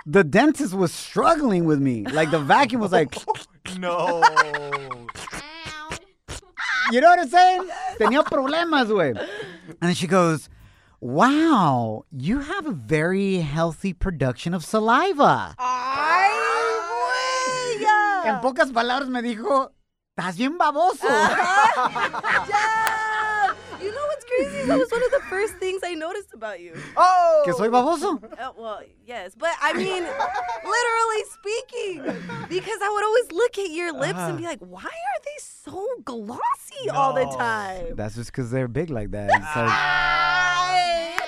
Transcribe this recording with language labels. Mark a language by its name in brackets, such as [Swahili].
[English] The dentist was struggling with me. Like, the vacuum was like... No. You know what I'm saying? [Spanish] Tenía problemas, güey. [English] And then she goes, wow, you have a very healthy production of saliva. [Spanish] Ay, güey. En pocas palabras me dijo, estás bien baboso. [English] Crazy. That was one of the first things I noticed about you. [Spanish] Oh! Que soy baboso? [English] Well, yes. But, I mean, literally speaking, because I would always look at your lips and be like, why are they so glossy all the time? That's just because they're big like that. It's like,